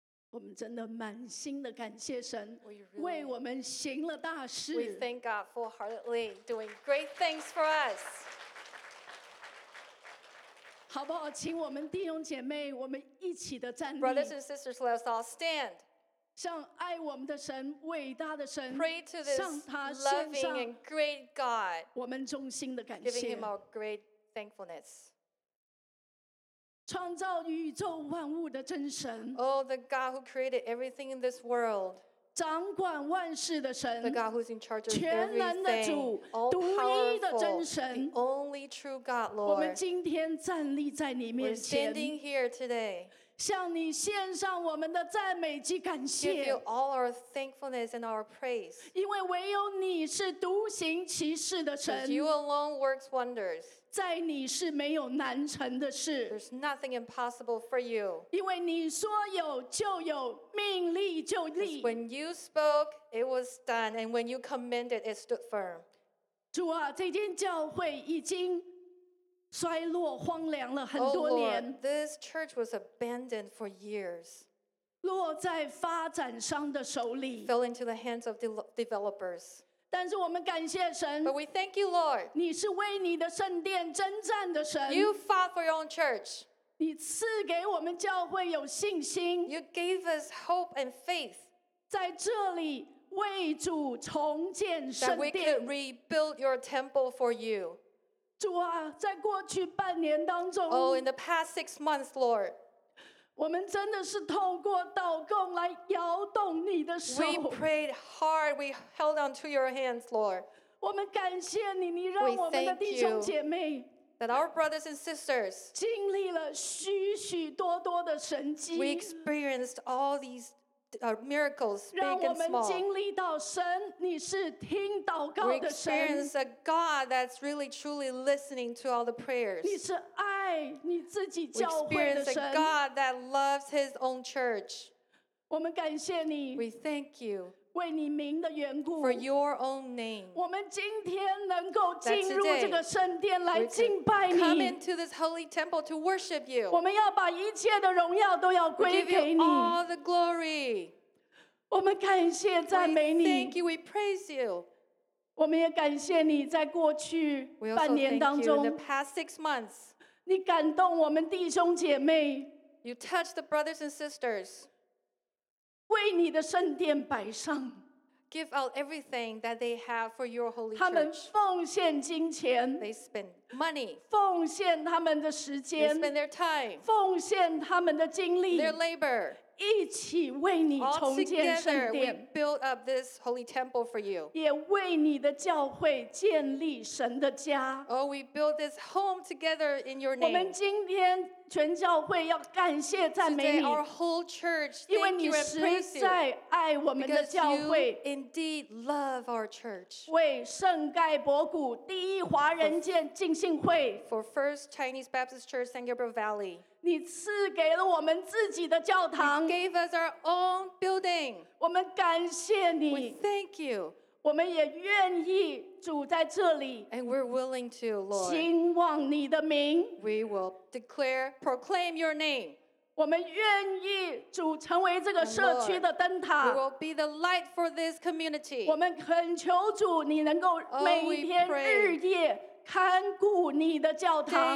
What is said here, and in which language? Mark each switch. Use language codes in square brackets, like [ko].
[zh] 我们真的满心的感谢神，为我们行了大事。 [en] We thank God wholeheartedly, doing great things for us. [zh] 好不好？请我们弟兄姐妹，我们一起的站立。 [en] Brothers and sisters, let us all stand. [zh] 向爱我们的神，伟大的神， [en] pray to this [zh] 向他献上 [en] loving and great God. [zh] 我们衷心的感谢。 [en] Giving him our great thankfulness. [zh] 创造宇宙万物的真神 [en] Oh, the God who created everything in this world. [zh] 掌管万事的神 [en] The God who's in charge of everything. [zh] 全能的主 [en] All powerful, [zh] 独一的真神 [en] The only true God, Lord. [zh] 我们今天站立在你面前 [en] We're standing here today. [zh] 向你献上我们的赞美及感谢 [en] Give you all our thankfulness and our praise. [zh] 因为唯有你是独行其事的神 [en] Because you alone works wonders. [zh] 在你是没有难成的事 [en] There's nothing impossible for you. [zh] 因为你说有就有命立就立 [en] Because when you spoke, it was done. And when you commanded, it stood firm. [zh] 主啊这间教会已经衰落荒凉了很多年 [en] Oh Lord, this church was abandoned for years. [zh] 落在发展商的手里 [en] Fell into the hands of developers. [zh] 但是我们感谢神 [en] But we thank you, Lord. [zh] 你是为你的圣殿征战的神 [en] You fought for your own church. [zh] 你赐给我们教会有信心 [en] You gave us hope and faith. [zh] 在这里为主重建圣殿 [en] That we could rebuild your temple for you. [zh] 主啊，在过去半年当中 [en] Oh, in the past 6 months, Lord. [zh] 我们真的是透过祷告来摇动你的手。 [en] We prayed hard. We held on to your hands, Lord. [zh] 我们感谢你，你让我们的弟兄姐妹 [en] that our brothers and sisters [zh] 经历了许许多多的神迹。 [en] We experienced all these miracles, big and small. [zh] 让我们经历到神，你是听祷告的神。 [en] We experienced a God that's really truly listening to all the prayers. [zh] 你是爱。 [en] We experience a God that loves His own church. We thank you for your own name. That today, we can come into this holy temple to worship you. We give you all the glory. We thank you, we praise you. We also thank you in the past 6 months. [zh] 你感动我们弟兄姐妹 [en] You touched the brothers and sisters. [zh] 为你的圣殿摆上 [en] Give out everything that they have for your holy church. [zh] 他们奉献金钱 [en] They spend money. [zh] 奉献他们的时间 [en] They spend their time. [zh] 奉献他们的精力 [en] Their labor. [zh] 一起为你重建圣殿 [en] All together, we build up this holy temple for you. [zh] 也为你的教会建立神的家 [en] Oh, we build this home together in your name. [zh] 我们今天全教会要感谢赞美你 [en] Today, our whole church, thank you and praise you. [zh] 因为你实在爱我们的教会 [en] Because you indeed love our church. [zh] 为圣盖博谷第一华人建浸信会 [en] For First Chinese Baptist Church, San Gabriel Valley. [zh] 你赐给了我们自己的教堂 [en] You gave us our own building. [zh] 我们感谢你 [en] We thank you. [zh] 我们也愿意住在这里 [en] And we're willing to, Lord. [zh] 兴旺你的名 [en] We will declare, proclaim your name. [zh] 我们愿意住成为这个社区的灯塔 [en] Lord, We will be the light for this community. [zh] 我们恳求主你能够每天日夜看顾你的教堂